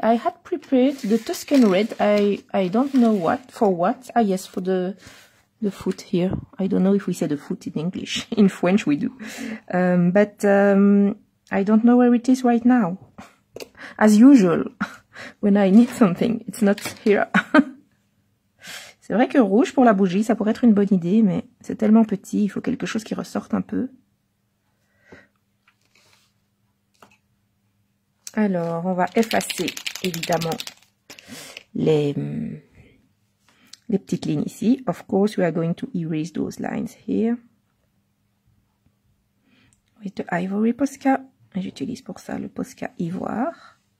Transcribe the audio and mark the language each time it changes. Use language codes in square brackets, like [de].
[en] I had prepared the Tuscan red. I don't know what for what. Ah yes, for the foot here. I don't know if we say the foot in English. In French we do. I don't know where it is right now. As usual, when I need something, it's not here. [fr] C'est vrai que rouge pour la bougie, ça pourrait être une bonne idée, mais c'est tellement petit, il faut quelque chose qui ressorte un peu. Alors, on va effacer, évidemment, les petites lignes ici. [en] Of course, we are going to erase those lines here. With the ivory Posca. [fr] J'utilise pour ça le Posca ivoire.